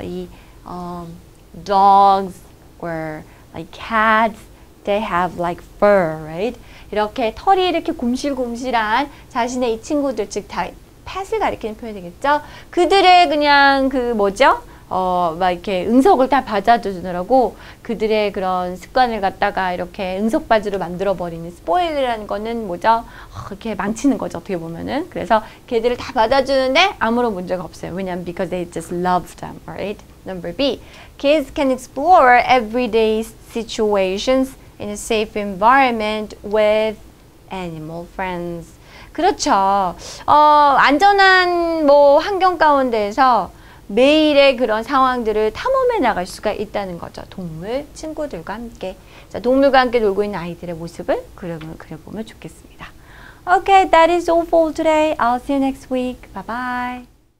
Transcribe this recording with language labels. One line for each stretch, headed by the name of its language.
English: 이 dogs or like cats, they have like fur, right?
Korean: 이렇게 털이 이렇게 곰실곰실한 자신의 이 친구들, 즉 pet을 가리키는 표현이 되겠죠? 그들의 그냥 막 이렇게 응석을 다 받아주느라고 그들의 그런 습관을 갖다가 이렇게 응석받이로 만들어버리는 스포일이라는 거는 뭐죠? 이렇게 망치는 거죠, 어떻게 보면은. 그래서 걔들을 다 받아주는데 아무런 문제가 없어요. 왜냐면
English: because they just love them, right? Number B. Kids can explore everyday situations in a safe environment with animal friends.
Korean: 그렇죠. 안전한 환경 가운데에서 매일의 그런 상황들을 탐험해 나갈 수가 있다는 거죠. 동물 친구들과 함께. 자, 동물과 함께 놀고 있는 아이들의 모습을 그려보면 좋겠습니다.
English: Okay, that is all for today. I'll see you next week. Bye-bye.